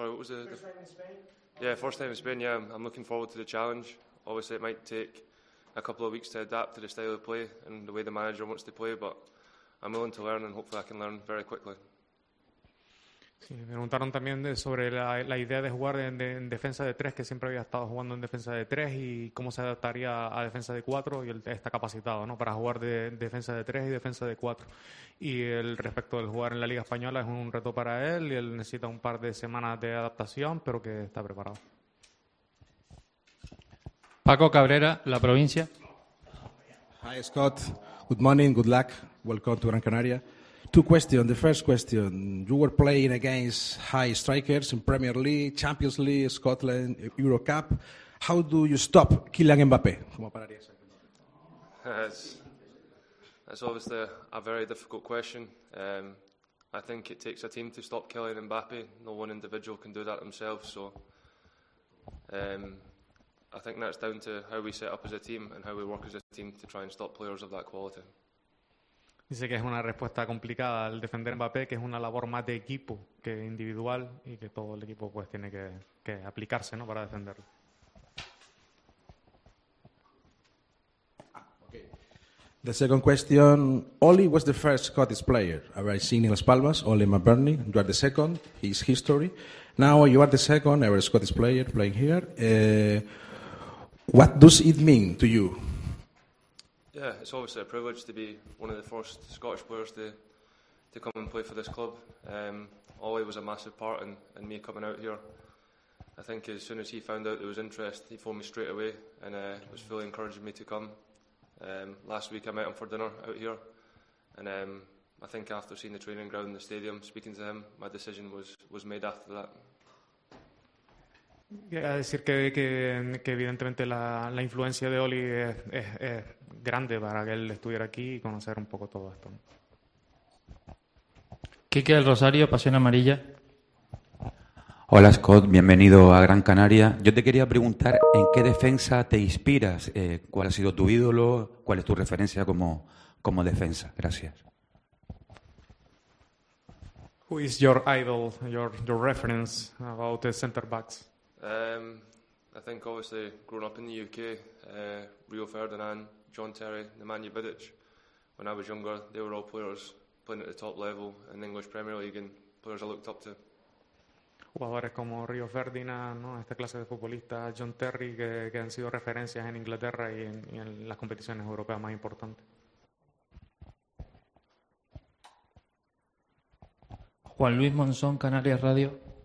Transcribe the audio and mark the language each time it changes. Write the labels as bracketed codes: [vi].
[en] First time in Spain, I'm looking forward to the challenge. Obviously it might take a couple of weeks to adapt to the style of play and the way the manager wants to play, but I'm willing to learn and hopefully I can learn very quickly. [es] Sí, me preguntaron también sobre la idea de jugar en defensa de tres, que siempre había estado jugando en defensa de tres, y cómo se adaptaría a defensa de cuatro, y él está capacitado, ¿no?, para jugar de defensa de tres y defensa de cuatro. Y el respecto del jugar en la Liga Española es un reto para él, y él necesita un par de semanas de adaptación, pero que está preparado. Paco Cabrera, La Provincia. [en] Hi Scott, good morning, good luck, welcome to Gran Canaria. Two questions. The first question, you were playing against high strikers in Premier League, Champions League, Scotland, Euro Cup. How do you stop Kylian Mbappé? That's obviously a very difficult question. I think it takes a team to stop Kylian Mbappé. No one individual can do that themselves. So I think that's down to how we set up as a team and how we work as a team to try and stop players of that quality. [es] Dice que es una respuesta complicada al defender Mbappé, que es una labor más de equipo que individual y que todo el equipo pues tiene que aplicarse, ¿no?, para defenderlo. [en] Okay. The second question, Oli was the first Scottish player ever seen in Las Palmas, Oli McBurney. You are the second, he's history. Now you are the second ever Scottish player playing here. What does it mean to you? Yeah, it's obviously a privilege to be one of the first Scottish players to come and play for this club. Oli was a massive part in me coming out here. I think as soon as he found out there was interest, he phoned me straight away and was fully encouraging me to come. Last week I met him for dinner out here, and I think after seeing the training ground in the stadium, speaking to him, my decision was made after that. [es] Quiero decir que evidentemente la influencia de Oli es grande para que él estuviera aquí y conocer un poco todo esto. Quique del Rosario, Pasión Amarilla. Hola Scott, bienvenido a Gran Canaria. Yo te quería preguntar en qué defensa te inspiras, cuál ha sido tu ídolo, cuál es tu referencia como defensa. Gracias. [en] Who is your idol, your reference about the center backs? I think obviously growing up in the UK, Rio Ferdinand, John Terry, Nemanja Vidic, when I was younger, they were all players playing at the top level in the English Premier League and players I looked up to. [es] Jugadores como Rio Ferdinand, ¿no?, esta clase de futbolistas, John Terry, que han sido referencias en Inglaterra y en las competiciones europeas más importantes. Juan Luis Monzón, Canarias Radio.